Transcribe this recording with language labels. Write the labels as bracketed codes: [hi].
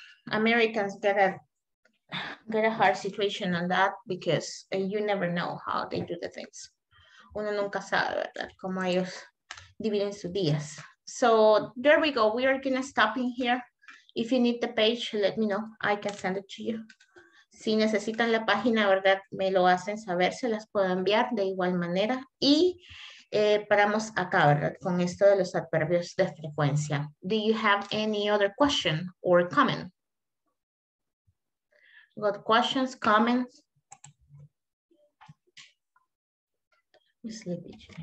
[en] Americans get a hard situation on that because you never know how they do the things. [es] Uno nunca sabe, ¿verdad? Como ellos dividen sus días. [en] So there we go. We are gonna stop in here. If you need the page, let me know. I can send it to you. [es] Si necesitan la página, ¿verdad? Me lo hacen saber, se las puedo enviar de igual manera. Y paramos acá, ¿verdad? Con esto de los adverbios de frecuencia. [en] Do you have any other question or comment? Got questions, comments? Sleepy.